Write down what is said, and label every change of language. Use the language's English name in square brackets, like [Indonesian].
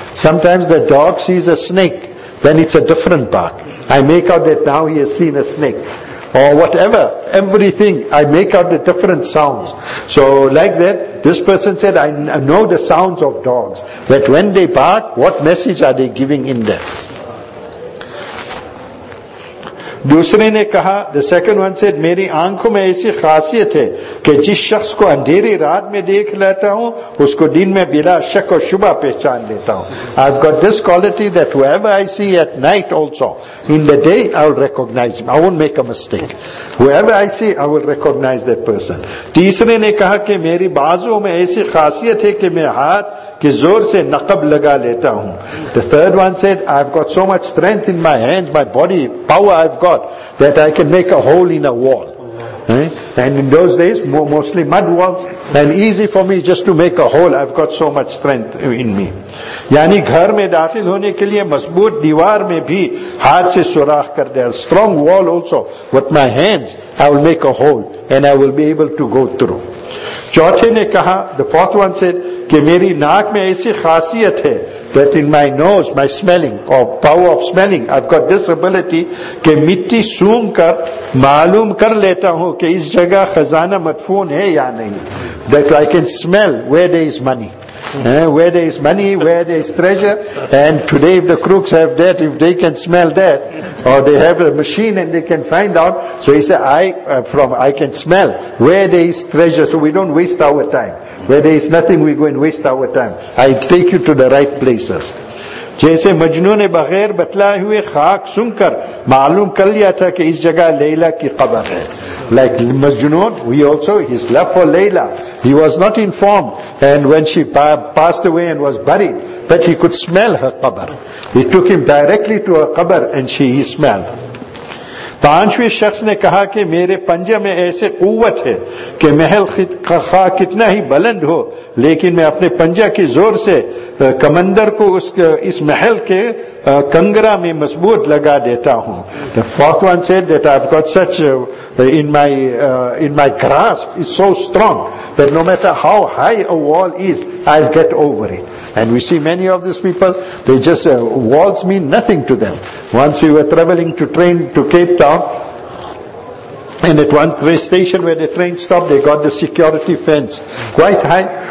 [English] Sometimes the dog sees a snake, then it's a different bark. I make out that now he has seen a snake. Or whatever, everything, I make out the different sounds. So like that, this person said, I know the sounds of dogs, that when they bark, what message are they giving in there? [Urdu] دوسرے نے کہا, [English] the second one said, [Urdu] میری آنکھوں میں ایسی خاصیت ہے کہ جس شخص کو اندھیری رات میں دیکھ لیتا ہوں اس کو دن میں بلا شک و شبہ پہچان لیتا ہوں. [English] I've got this quality that whoever I see at night also, in the day I'll recognize him. I won't make a mistake. Whoever I see, I will recognize that person. [Urdu] تیسرے نے کہا کہ میری بازوں میں ایسی خاصیت ہے کہ میں ہاتھ کے زور سے نقب لگا لیتا ہوں. [English] The third one said, I've got so much strength in my hands, my body, power I've got, that I can make a hole in a wall. And in those days, mostly mud walls, and easy for me just to make a hole, I've got so much strength in me. [Urdu] یعنی گھر میں داخل ہونے کے لیے مضبوط دیوار میں بھی ہاتھ سے سوراخ کر دیا. [English] Strong wall also, with my hands, I will make a hole, and I will be able to go through. [Urdu] چوتھے نے کہا, [English] the fourth one said, [Urdu] کہ میری ناک میں ایسی خاصیت ہے, [English] that in my nose, my smelling, or power of smelling, I've got this ability, [Urdu] کہ مٹی سون کر معلوم کر لیتا ہوں کہ اس جگہ خزانہ مدفون ہے یا نہیں. [English] That I can smell where there is money. Where there is money, where there is treasure. And today if the crooks have that, if they can smell that, or they have a machine and they can find out, so he said, I can smell where there is treasure, so we don't waste our time. Where there is nothing, we go and waste our time. I take you to the right places. [Urdu] جیسے مجنوں نے بغیر بتلائے ہوئے خاک سن کر معلوم کر لیا تھا کہ اس جگہ لیلا کی قبر ہے. [English] Like Majnun, we also, his love for Layla. He was not informed, and when she passed away and was buried, but he could smell her qabr. He took him directly to her qabr, and he smelled. [Urdu] پانچویں شخص نے کہا کہ میرے پنجے میں ایسے قوت ہے کہ محل خواہ کتنا ہی بلند ہو, لیکن میں اپنے پنجے کی زور سے کمندر کو اس محل کے کنگرا میں مضبوط لگا دیتا ہوں. [English] The fourth one said that I've got such in my grasp is so strong that no matter how high a wall is, I'll get over it. And we see many of these people, they just, walls mean nothing to them. Once we were traveling to train to Cape Town, and at one train station where the train stopped, they got the security fence quite high.